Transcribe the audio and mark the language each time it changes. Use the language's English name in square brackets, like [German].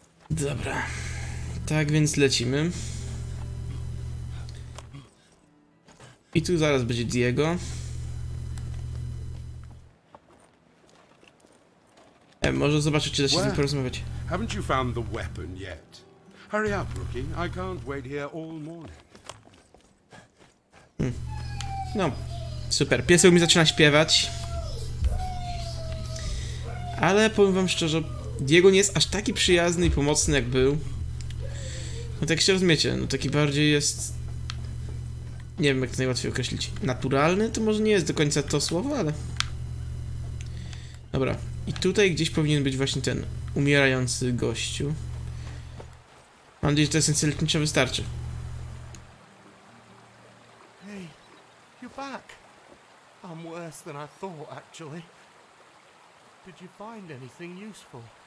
[Polish] Dobra. Tak więc lecimy. I tu zaraz będzie Diego. Może zobaczyć, czy da się z nim porozmawiać. [English] Haven't you found the weapon yet? Hurry up, rookie. I can't wait here all morning. [Polish] No. Super. Piesek mi zaczyna śpiewać. Ale powiem wam szczerze, Diego nie jest aż taki przyjazny i pomocny jak był. No tak się rozumiecie, no taki bardziej jest, nie wiem jak to najłatwiej określić, naturalny to może nie jest do końca to słowo, ale dobra, i tutaj gdzieś powinien być właśnie ten umierający gościu. Mam nadzieję, że ta esencja lecznicza wystarczy. [English] Hey, you're back. I'm worse than I thought actually. Did you find anything useful?